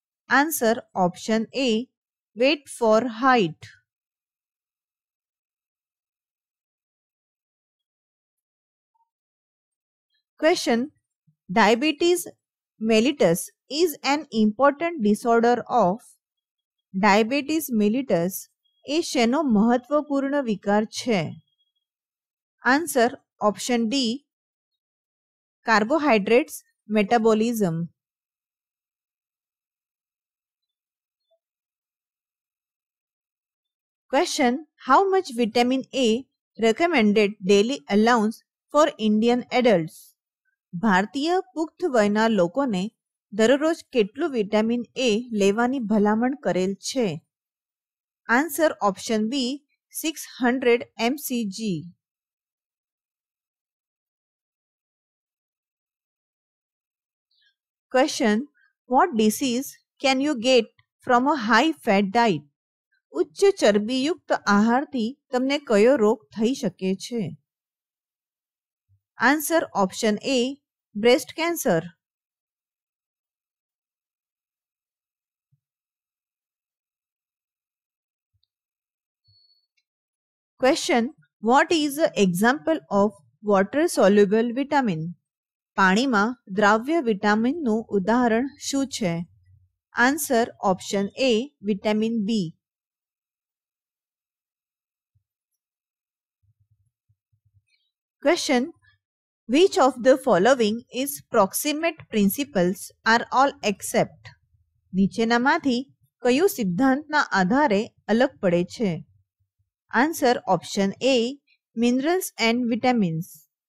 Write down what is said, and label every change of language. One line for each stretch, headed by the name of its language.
English: Answer option A, weight for height. Question: diabetes mellitus is an important disorder of?
Gujarati: Diabetes mellitus એ શેનો મહત્વપૂર્ણ વિકાર છે?
English: Answer option D, carbohydrates metabolism. Question: how much vitamin A recommended daily allowance for Indian adults?
Gujarati: ભારતીય પુખ્ત વયના લોકોને દરરોજ કેટલું વિટામિન એ લેવાની ભલામણ કરેલ છે?
English: Answer option B, 600 mcg. Question: what disease can you get from a high fat diet?
Gujarati: ઉચ્ચ ચરબીયુક્ત આહારથી તમને કયો રોગ થઈ શકે છે?
English: Answer option A, breast cancer. Question: what is the example of water soluble vitamin?
Gujarati: Panima dravya vitamin nu udaharan shu chhe?
English: Answer option A, vitamin B. Question: Which of the following is proximate principles are all except?
Gujarati: નીચેનામાંથી કયું સિદ્ધાંતના આધારે અલગ પડે છે?
English: Answer option A, minerals and vitamins.